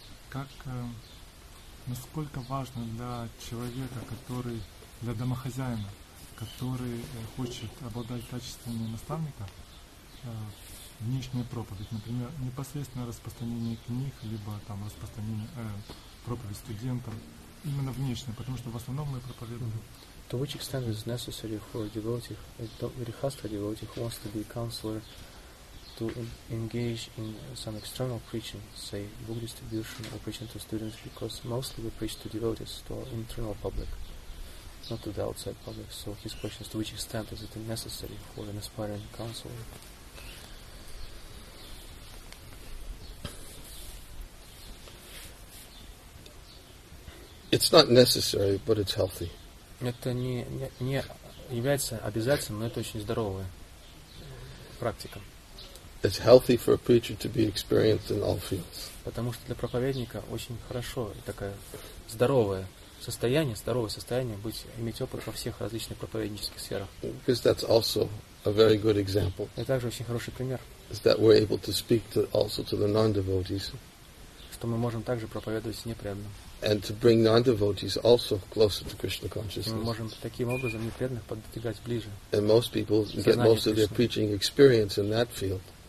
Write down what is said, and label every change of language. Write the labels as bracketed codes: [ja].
[ru] Как насколько важно для человека, который для домохозяина, который хочет обладать качествами наставника, внешняя проповедь, например, непосредственно распространение книг, либо там распространение проповедь студентам, именно внешне, потому что в основном мы проповедуем. [en] To which extent is necessary for a devotee, grihastha devotee who wants to be a counselor, to engage in some external preaching, say book distribution or preaching to students, because mostly we preach to devotees, to our internal public, not to the outside public. So his question is, to which extent is it necessary for an aspiring counselor? It's not necessary, but it's healthy. [ru] Это не является обязательным, но это очень здоровая практика. [en] It's healthy for a preacher to be experienced in all fields. [ru] Потому что для проповедника очень хорошо такое здоровое состояние иметь опыт во всех различных проповеднических сферах. [en] Because that's also a very good example. [ru] Это также очень хороший пример. [en] Is that we're able to speak to also to the non-devotees. [ru] Что мы можем также проповедовать непреданным. [en] and to bring non-devotees also closer to Krishna consciousness. [ru] Мы можем таким образом неверных подтягивать ближе. [en] And most people get most of their preaching experience in that field.